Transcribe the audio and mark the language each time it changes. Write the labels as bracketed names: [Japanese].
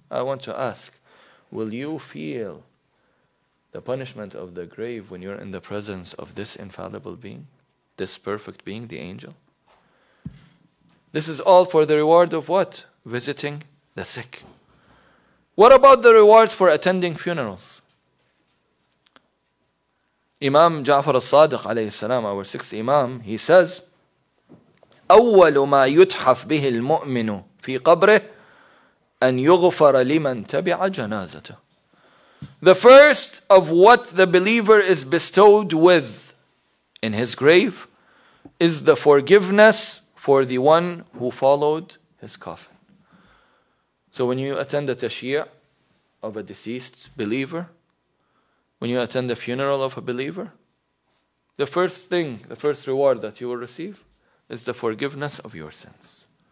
[English] I want to ask, will you feel the punishment of the grave when you're in the presence of this infallible being, this perfect being, the angel? This is all for the reward of what? Visiting the sick. What about the rewards for attending funerals? Imam Ja'far al-Sadiq alayhi salam, our sixth imam, he says, [Arabic] أول ما يتحف به المؤمن في قبره أن يغفر لمن تبع جنازته. [English] The first of what the believer is bestowed with in his grave is the forgiveness for the one who followed his coffin. So when you attend a tashia of a deceased believer, when you attend a funeral of a believer, the first thing, the first reward that you will receive is the forgiveness of your sins.